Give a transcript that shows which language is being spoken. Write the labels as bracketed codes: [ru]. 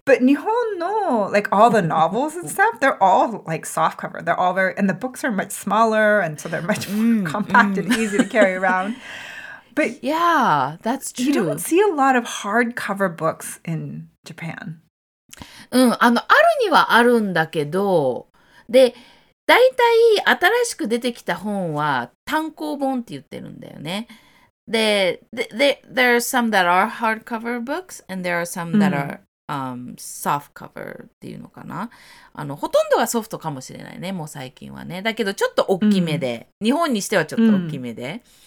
[en] but [ja] 日本の [en] like all the novels and stuff, they're all like soft cover. They're all very, and the books are much smaller, and so they're much more compact and easy to carry around. But yeah, that's true. You don't see a lot of hardcover books in Japan. [ja] あるにはあるんだけど、で、だいたい新しく出てきた本は単行本って言ってるんだよね。 [en] There are some that are hardcover books, and there are some that are、softcover [ja] っていうのかな。ほとんどがソフトかもしれないね、もう最近はね。だけどちょっと大きめで、日本にしてはちょっと大きめで。